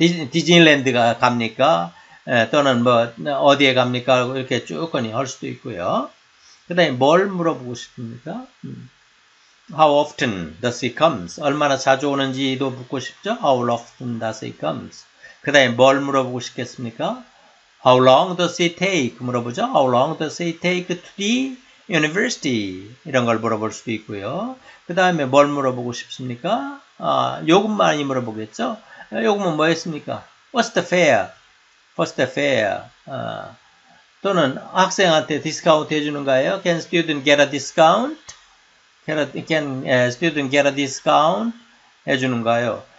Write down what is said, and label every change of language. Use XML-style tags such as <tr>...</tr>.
<ko>디즈니랜드가 갑니까? 또는 뭐 어디에 갑니까? 이렇게 쭉 거니 할 수도 있고요. 그다음에 뭘 물어보고 싶습니까?</ko> <en>How often does he comes?</en> <ko>얼마나 자주 오는지도 묻고 싶죠?</ko> <en>How often does he comes?</en> <ko>그다음에 뭘 물어보고 싶겠습니까?</ko> <en>How long does he take?</en> <ko>물어보죠.</ko> <en>How long does he take to the university?</en> <ko>이런 걸 물어볼 수도 있고요. 그다음에 뭘 물어보고 싶습니까? 요금 많이 물어보겠죠. 요금은 뭐였습니까?</ko> <en>What's the fare? What's the fare?</en> <ko>또는 학생한테 디스카운트 해주는가요?</ko> <en>Can student get a discount? Can student get a discount?</en> <ko>해주는가요?</ko>